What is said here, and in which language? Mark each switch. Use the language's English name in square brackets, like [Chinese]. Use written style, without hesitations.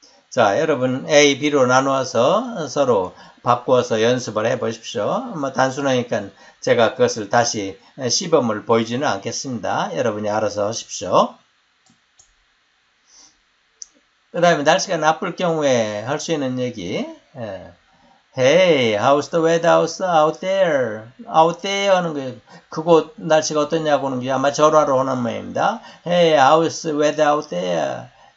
[Korean] 자, 여러분 A, B로 나누어서 서로 바꿔서 연습을 해 보십시오. 뭐 단순하니까 제가 그것을 다시 시범을 보이지는 않겠습니다. 여러분이 알아서 하십시오. 그다음에 날씨가 나쁠 경우에 할수 있는 얘기. [English] Hey, how's the weather out there? Out there [Korean] 하는 거예요. 그곳 날씨가 어떠냐고 하는 게 아마 전화로 오는 모양입니다. [English] Hey, how's the weather out there?